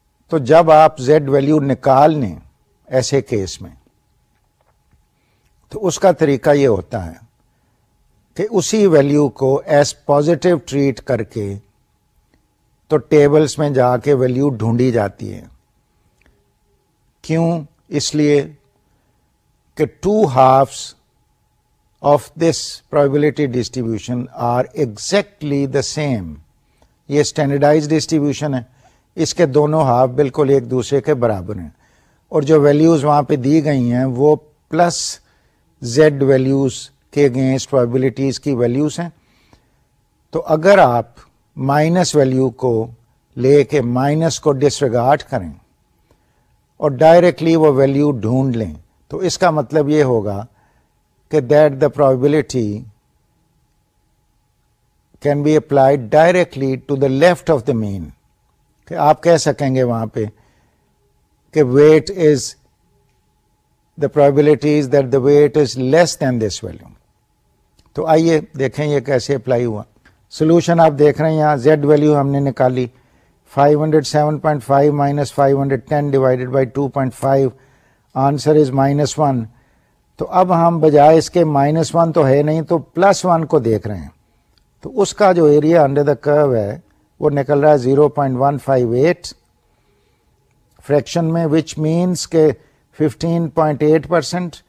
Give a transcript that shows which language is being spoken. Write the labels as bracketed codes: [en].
[ur] تو جب آپ زیڈ ویلیو نکال لیں ایسے کیس میں, تو اس کا طریقہ یہ ہوتا ہے کہ اسی ویلیو کو ایز پازیٹیو ٹریٹ کر کے تو ٹیبلز میں جا کے ویلیو ڈھونڈی جاتی ہے. کیوں؟ اس لیے کہ [en] Two halves of this probability distribution are exactly the same. [ur] یہ اسٹینڈرڈائز ڈسٹریبیوشن ہے, اس کے دونوں ہاف بالکل ایک دوسرے کے برابر ہیں, اور جو ویلیوز وہاں پہ دی گئی ہیں وہ پلس زیڈ ویلیوز کے اگینسٹ پرابیبلٹیز کی ویلیوز ہیں. تو اگر آپ مائنس ویلیو کو لے کے مائنس کو ڈس ریگارڈ کریں اور ڈائریکٹلی وہ ویلیو ڈھونڈ لیں, تو اس کا مطلب یہ ہوگا کہ [en] That the probability can be applied directly to the left of the mean. [ur] کہ آپ کہہ سکیں گے وہاں پہ کہ [en] What is the probability is that the weight is less than this value. [ur] تو آئیے دیکھیں یہ کیسے اپلائی ہوا. سولوشن آپ دیکھ رہے ہیں یہاں, زیڈ ویلیو ہم نے نکالی 507.5 minus 510 divided by 2.5, [en] Answer is minus 1. [ur] تو اب ہم بجائے اس کے مائنس 1 تو ہے نہیں, تو پلس 1 کو دیکھ رہے ہیں, تو اس کا جو ایریا انڈر دا کرو ہے وہ نکل رہا ہے 0.158 فریکشن میں, وچ مینس کہ 15.8%.